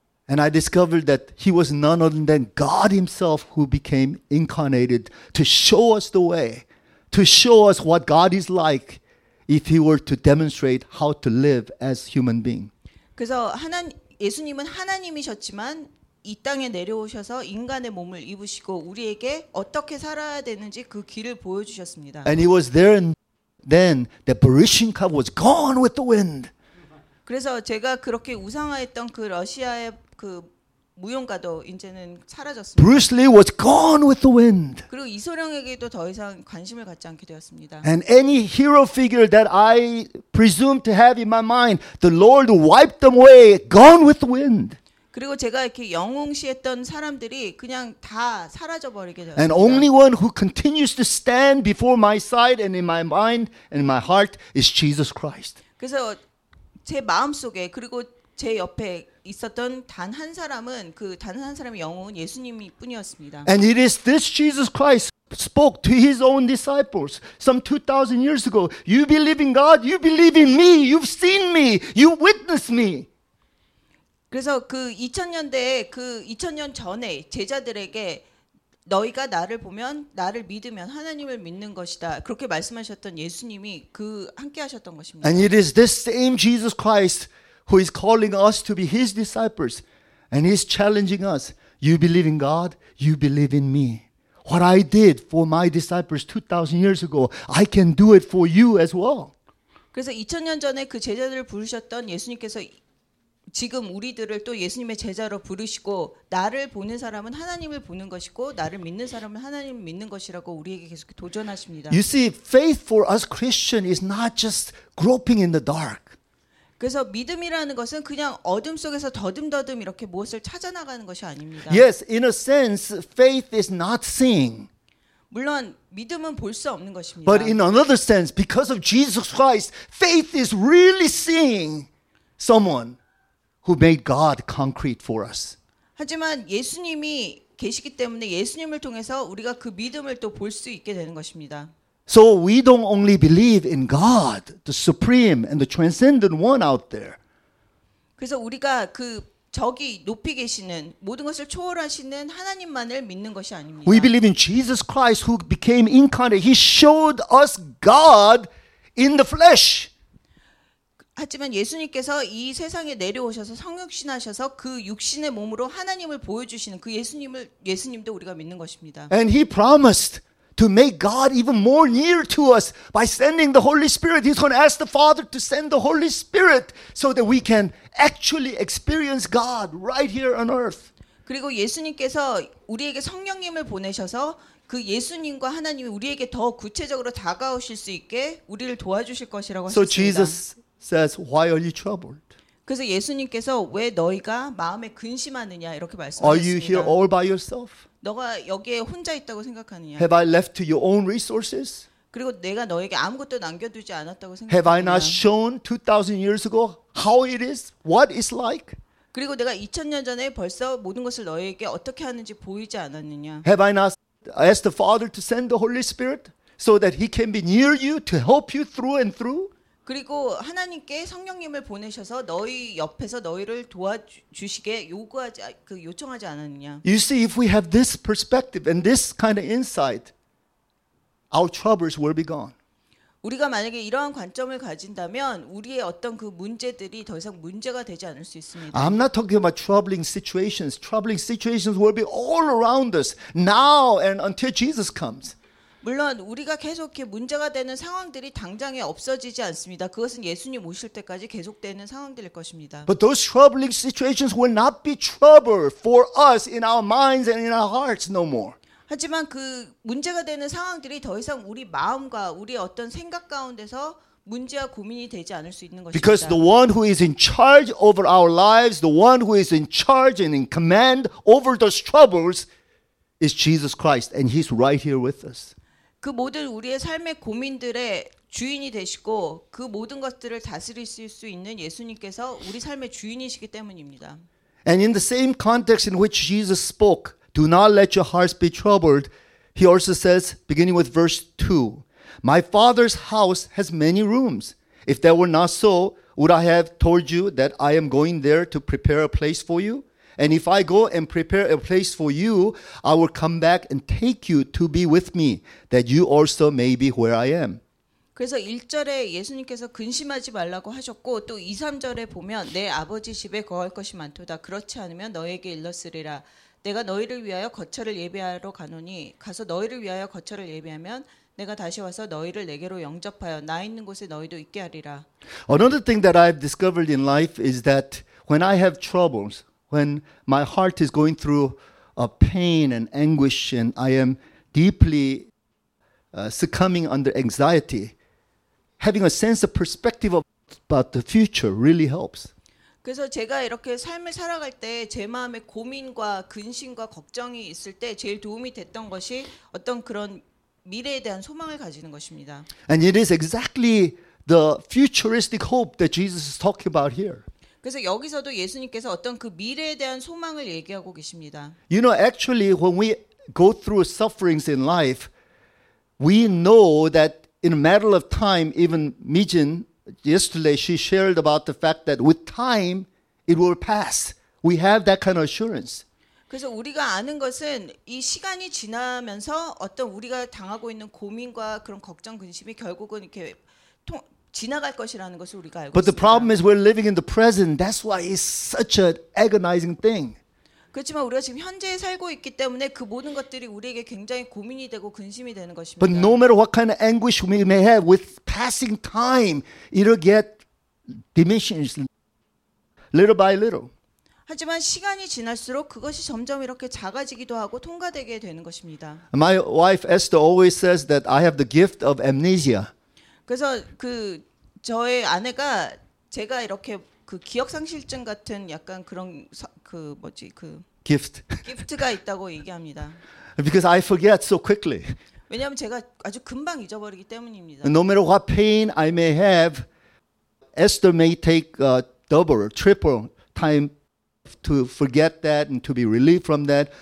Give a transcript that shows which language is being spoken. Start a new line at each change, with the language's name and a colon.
English: And I discovered that he was none other than God himself who became incarnated to show us the way, to show us what God is like if he were to demonstrate how to live as human being.
Korean: 그래서 예수님은 하나님이셨지만 이 땅에 내려오셔서 인간의 몸을 입으시고 우리에게 어떻게 살아야 되는지 그 길을 보여주셨습니다.
English: And it was there and then that Baryshnikov was gone with the wind.
Korean: 그래서 제가 그렇게 우상화했던 그 러시아의 그 무용가도 이제는 사라졌습니다.
English: Bruce Lee was gone with the wind.
Korean: 그리고 이소룡에게도 더 이상 관심을 갖지 않게 되었습니다.
English: And any hero figure that I presumed to have in my mind, the Lord wiped them away, gone with the wind.
Korean: 그리고 제가 이렇게 영웅시했던 사람들이 그냥 다 사라져 버리게 되었어요.
English: And only one who continues to stand before my side and in my mind and in my heart is Jesus Christ.
Korean: 그래서 제 마음속에 그리고 제 옆에 있었던 단 한 사람은 그 단 한 사람의 영웅은 예수님이뿐이었습니다.
English: And it is this Jesus Christ spoke to his own disciples some 2000 years ago. You believe in God, you believe in me, you've seen me, you witness me.
Korean: 그래서 그 2000년대에 그 2000년 전에 제자들에게 너희가 나를 보면 나를 믿으면 하나님을 믿는 것이다. 그렇게 말씀하셨던 예수님이 그 함께 하셨던 것입니다.
English: And it is this same Jesus Christ who is calling us to be his disciples and he's challenging us. You believe in God, you believe in me. What I did for my disciples 2,000 years ago, I can do it for you as well.
Korean: 그래서 2000년 전에 그 제자들을 부르셨던 예수님께서 지금 우리들을 또 예수님의 제자로 부르시고 나를 보는 사람은 하나님을 보는 것이고 나를 믿는 사람은 하나님을 믿는 것이라고 우리에게 계속 도전하십니다.
English: You see, faith for us Christian is not just groping in the dark.
Korean: 그래서 믿음이라는 것은 그냥 어둠 속에서 더듬더듬 이렇게 무엇을 찾아 나가는 것이 아닙니다.
English: Yes, in a sense, faith is not seeing.
Korean: 물론 믿음은 볼 수 없는 것입니다.
English: But in another sense, because of Jesus Christ, faith is really seeing someone who made God concrete for us.
Korean: 하지만 예수님이 계시기 때문에 예수님을 통해서 우리가 그 믿음을 또 볼 수 있게 되는 것입니다.
English: So we don't only believe in God, the supreme and the transcendent one out there.
Korean: 그래서 우리가 그 저기 높이 계시는 모든 것을 초월하시는 하나님만을 믿는 것이 아닙니다.
English: We believe in Jesus Christ who became incarnate. He showed us God in the flesh.
Korean: 하지만 예수님께서 이 세상에 내려오셔서 성육신하셔서 그 육신의 몸으로 하나님을 보여주시는 그 예수님을 예수님도 우리가 믿는 것입니다.
English: And he promised to make God even more near to us by sending the Holy Spirit. He's going to ask the Father to send the Holy Spirit so that we can actually experience God right here on earth.
Korean: 그리고 예수님께서 우리에게 성령님을 보내셔서 그 예수님과 하나님이 우리에게 더 구체적으로 다가오실 수 있게 우리를 도와주실 것이라고 하셨습니다.
English: So Jesus says, why are you troubled?
Korean: 그래서 예수님께서 왜 너희가 마음에 근심하느냐 이렇게 말씀하셨습니다.
English: Are you here all by yourself?
Korean: 너가 여기에 혼자 있다고 생각하느냐?
English: Have I left to your own resources?
Korean: 그리고 내가 너에게 아무것도 남겨두지 않았다고 생각하느냐?
English: Have I not shown 2,000 years ago how it is, what it's like?
Korean: 그리고 내가 2,000년 전에 벌써 모든 것을 너에게 어떻게 하는지 보이지 않았느냐?
English: Have I not asked the Father to send the Holy Spirit so that He can be near you to help you through and through?
Korean: 그리고 하나님께 성령님을 보내셔서 너희 옆에서 너희를 도와주시게 요구하지 그 요청하지 않았느냐?
English: You see, if we have this perspective and this kind of insight, our troubles will be gone.
Korean: 우리가 만약에 이러한 관점을 가진다면 우리의 어떤 그 문제들이 더 이상 문제가 되지 않을 수 있습니다.
English: I'm not talking about troubling situations. Troubling situations will be all around us now and until Jesus comes.
Korean: 물론 우리가 계속해 문제가 되는 상황들이 당장에 없어지지 않습니다. 그것은 예수님 오실 때까지 계속되는 상황들일 것입니다.
English: But those troubling situations will not be trouble for us in our minds and in our hearts no more.
Korean: 하지만 그 문제가 되는 상황들이 더 이상 우리 마음과 우리 어떤 생각 가운데서 문제와 고민이 되지 않을 수 있는 것입니다.
English: Because the one who is in charge over our lives, the one who is in charge and in command over those troubles is Jesus Christ and he's right here with us.
Korean: 그 모든 우리의 삶의 고민들의 주인이 되시고 그 모든 것들을 다스리실 수 있는 예수님께서 우리 삶의 주인이시기 때문입니다.
English: And in the same context in which Jesus spoke, do not let your hearts be troubled. He also says, beginning with verse 2, My Father's house has many rooms. If that were not so, would I have told you that I am going there to prepare a place for you? And if I go and prepare a place for you, I will come back and take you to be with me, that you also may be where I am.
Korean: 그래서 1절에 예수님께서 근심하지 말라고 하셨고 또 2, 3절에 보면 내 아버지 집에 거할 것이 많도다. 그렇지 않으면 너에게 일렀으리라. 내가 너희를 위하여 거처를 예비하러 가노니 가서 너희를 위하여 거처를 예비하면 내가 다시 와서 너희를 내게로 영접하여 나 있는 곳에 너희도 있게 하리라.
English: Another thing that I've discovered in life is that when I have troubles, When my heart is going through a pain and anguish and I am deeply succumbing under anxiety, having a sense of perspective about the future really helps.
Korean: 그래서 제가 이렇게 삶을 살아갈 때 제 마음에 고민과 근심과 걱정이 있을 때 제일 도움이 됐던 것이 어떤 그런 미래에 대한 소망을 가지는 것입니다.
English: And it is exactly the futuristic hope that Jesus is talking about here.
Korean: 그래서 여기서도 예수님께서 어떤 그 미래에 대한 소망을 얘기하고 계십니다.
English: You know, actually, when we go through sufferings in life, we know that in a matter of time, even Mijin, yesterday, she shared about the fact that with time, it will pass. We have that kind of assurance.
Korean: 그래서 우리가 아는 것은 이 시간이 지나면서 어떤 우리가 당하고 있는 고민과 그런 걱정, 근심이 결국은 이렇게 지나갈 것이라는 것을 우리가 알고 있습니다.
English: But the problem is we're living in the present. That's why it's such an agonizing thing.
Korean: 그렇지만 우리가 지금 현재에 살고 있기 때문에 그 모든 것들이 우리에게 굉장히 고민이 되고 근심이 되는 것입니다.
English: But no matter what kind of anguish we may have with passing time, it'll get diminished little by little.
Korean: 하지만 시간이 지날수록 그것이 점점 이렇게 작아지기도 하고 통과되게 되는 것입니다.
English: My wife Esther always says that I have the gift of amnesia.
Korean: 그래서 그 저의 아내가 제가 이렇게 그 기억 상실증 같은 약간 그런 그 뭐지 그
English: gift.
Korean: 기프트가 있다고 얘기합니다.
English: Because I forget so quickly.
Korean: 왜냐면 제가 아주 금방 잊어버리기 때문입니다.
English: No matter what pain I may have, Esther may take double, triple time to forget that and to be relieved from that.